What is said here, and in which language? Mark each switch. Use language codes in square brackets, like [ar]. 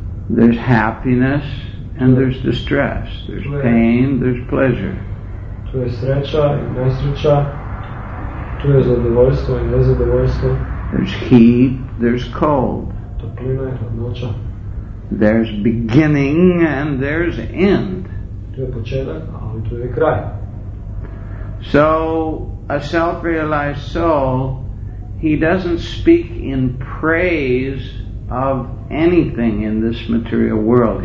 [en] There's happiness and there's distress. There's pain, there's pleasure. [hr] Tu je sreća i nesreća. Tu je zadovoljstvo i nezadovoljstvo. [en] There's heat, there's cold. [hr] Toplina i hladnoća. [en] There's beginning and there's end. [hr] Tu je početak, ali tu je kraj. [en] So a self-realized soul, he doesn't speak in praise of anything in this material world.